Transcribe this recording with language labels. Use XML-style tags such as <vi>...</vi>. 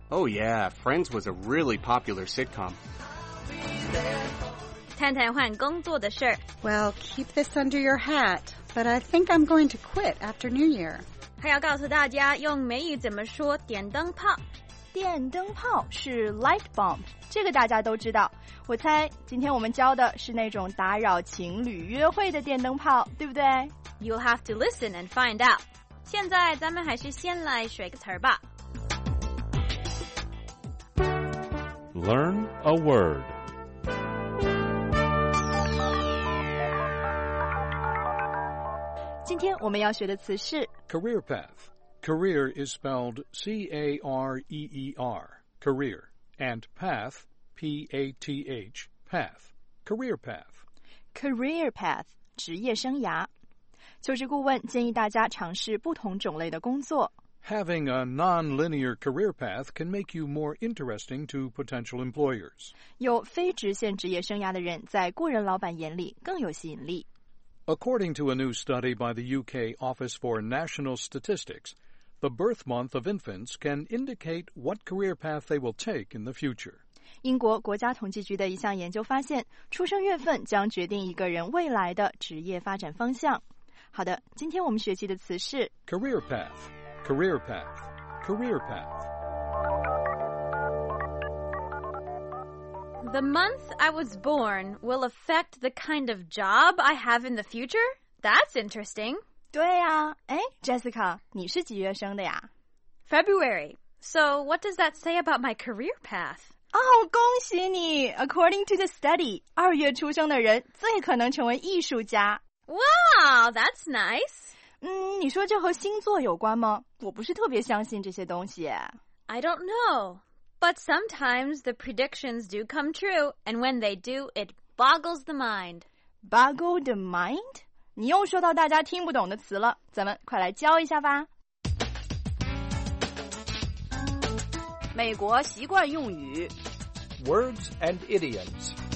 <en>Oh yeah, Friends was a really popular sitcom。</en> <zh>探探换工作的事。</zh> <en>Well, keep this under your hat, but I think I'm going to quit after New Year。</en> <zh>还要告诉大家用美语怎么说电灯泡。电灯泡是</zh> <en>light bulb，</en> <zh>这个大家都知道。我猜今天我们教的是那种打扰情侣约会的电灯泡，对不对？</zh> <en>You'll have to listen and find out。</en> <zh>现在咱们还是先来学个词吧。</zh> <en>Learn a word。</en> <zh>今天我们要学的词是</zh> <en>Career path. Career is spelled C-A-R-E-E-R, career, and path, P-A-T-H, path, career path. Career path,</en> <zh>职业生涯。求职顾问建议大家尝试不同种类的工作。</zh> <en>Having a non-linear career path can make you more interesting to potential employers.</en> <zh>有非直线职业生涯的人在雇人老板眼里更有吸引力。</zh> <en>According to a new study by the UK Office for National Statistics, the birth month of infants can indicate what career path they will take in the future.</en> <zh>英国国家统计局的一项研究发现，出生月份将决定一个人未来的职业发展方向。好的，今天我们学习的词是</zh> <en>career path, career path, career path. The month I was born will affect the kind of job I have in the future? That's interesting.</en> <zh>对啊，哎 ，Jessica， 你是几月生的呀</zh> <en>？February. So what does that say about my career path?</en> <zh>哦，恭喜你 ！</zh> <en>According to the study,</en> <zh>二月出生的人最可能成为艺术家。</zh> <en>Wow, that's nice.</en> <zh>你说这和星座有关吗？我不是特别相信这些东西。</zh> <en>I don't know. But sometimes the predictions do come true, and when they do, it boggles the mind. Boggle the mind?</en> <zh>你又说到大家听不懂的词了，咱们快来教一下吧。美国习惯用语。</zh> <en>Words and idioms.</en>